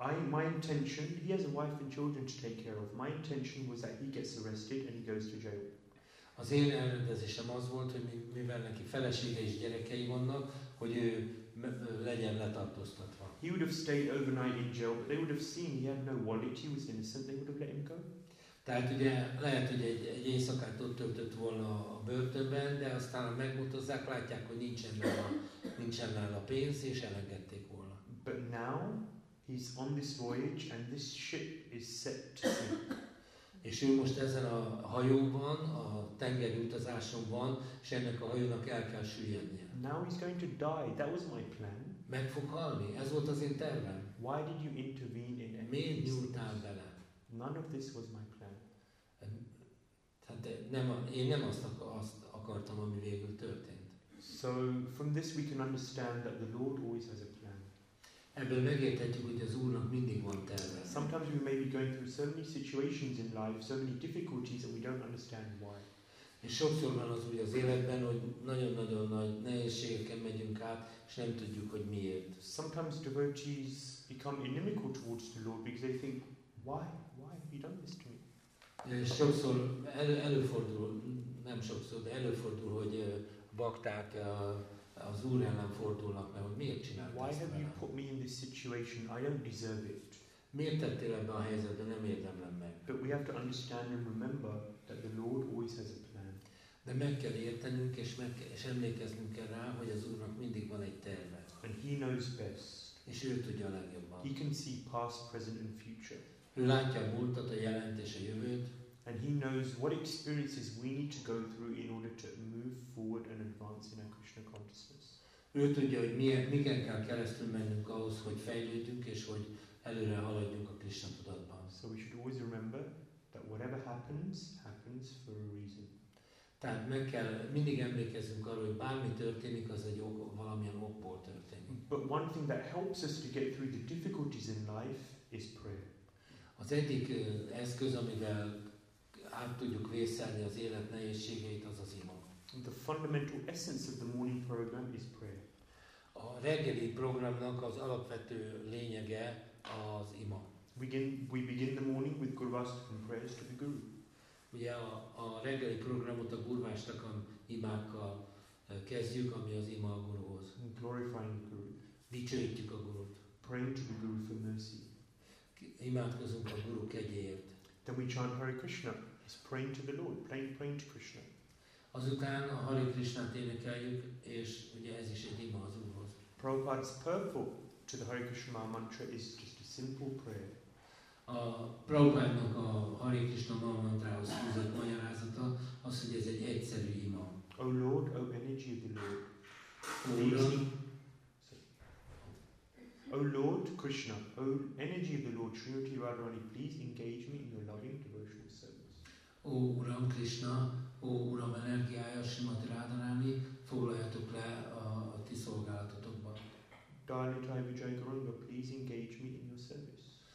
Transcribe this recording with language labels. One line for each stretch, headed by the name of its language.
English: My intention, he has a wife and children to take care of. My intention was that he gets arrested and he goes to jail.
Hungarian: Az én elrendezésem az volt, hogy mivel neki felesége és gyerekei vannak, hogy ő legyen letartóztatva.
English: He would have stayed overnight in jail, but they would have seen he had no wallet, he was innocent, they would have let him go.
Hungarian: Tehát ugye lehet, hogy egy éjszakát ott töltött volna a börtönben, de aztán megmutozzák, látják, hogy nincsen nála pénz, és elengedték volna.
English: But now he's on this voyage and this ship is set to sink.
Hungarian: És ő most ezen a hajóban, a tengeri utazáson van, és ennek a hajónak el kell süllyednie.
English: Now he's going to die. That was my plan.
Hungarian: Meg fog halni. Ez volt az én tervem.
English: Why did you intervene in anything?
Hungarian: Miért nyúltál bele?
English: None of this was my plan.
Hungarian: Tehát én nem azt akartam, ami végül történt.
English: So from this we can understand that the Lord always has a plan.
Hungarian: Ebből megérthetjük, hogy az Úrnak mindig van terve.
English: Sometimes we may be going through so many situations in life, so many difficulties, and we don't understand why.
Hungarian: És sokszor van az, hogy az életben, hogy nagyon-nagyon nagy nehézségeken megyünk át, és nem tudjuk, hogy miért.
English: Sometimes devotees become inimical towards the Lord because they think, why have you done this to me?
Hungarian: És sokszor előfordul, nem sokszor, de előfordul, hogy bakták az Úr ellen fordulnak, mert hogy miért csinált ezt?
English: Why have you put me in this situation? I don't deserve it.
Hungarian: Miért tettél ebbe a helyzetbe? Nem érdemlem meg.
English: But we have to understand and remember that the Lord always has a plan.
Hungarian: De meg kell értenünk és emlékeznünk kell rá, hogy az Úrnak mindig van egy terve.
English: And he knows best.
Hungarian: És ő tudja a legjobban.
English: He can see past, present and future.
Hungarian: Ő látja a múltat, a jelent és a jövőt.
English: And he knows what experiences we need to go through in order to move forward and advance in our Krishna consciousness.
Hungarian: Ő tudja, hogy miken kell keresztül mennünk ahhoz, hogy fejlődjünk és hogy előre haladjunk a Krishna tudatban.
English: So we should always remember that whatever happens, happens for a reason.
Hungarian: Tehát mindig emlékezzünk arra, hogy bármi történik, az egy ok, valamilyen okból történik.
English: But one thing that helps us to get through the difficulties in life is prayer.
Hungarian: Az egyik eszköz, amivel át tudjuk vészelni az élet nehézségeit, az az ima.
English: The fundamental essence of the morning program is prayer.
Hungarian: A reggeli programnak az alapvető lényege az ima.
English: We begin the morning with Gurvastakam prayers to the Guru.
Hungarian: Ugye a reggeli programot a Gurvastakam imákkal kezdjük, ami az ima a Guruhoz.
English: And glorifying the Guru.
Hungarian: Dicsőítjük a Gurut.
English: Praying to the Guru for mercy.
Hungarian: Imádkozunk a Guru kegyéért.
English: Then we chant Hare Krishna. It's praying to the Lord, praying to Krishna.
Hungarian: Azután a Hare Krishnát énekeljük, és ugye ez is egy ima az Úrhoz.
English: Prabhupada's purport to the Hare Krishna mantra is just a simple prayer.
Hungarian: A Prabhupádnak a Hare Krishna mantrához fűzött magyarázata az, hogy ez egy egyszerű ima.
English: O Lord, O energy of the Lord. O Lord Krishna, O energy of the Lord, Shri Radharani, please engage me in your loving devotional service.
Hungarian: Ó Uram Krishna, ó Uram energiája, Srimati Rádaráni, foglaljatok le a ti szolgálatotokba.
English: Dalita Vijay Gauranga, please engage me in your service.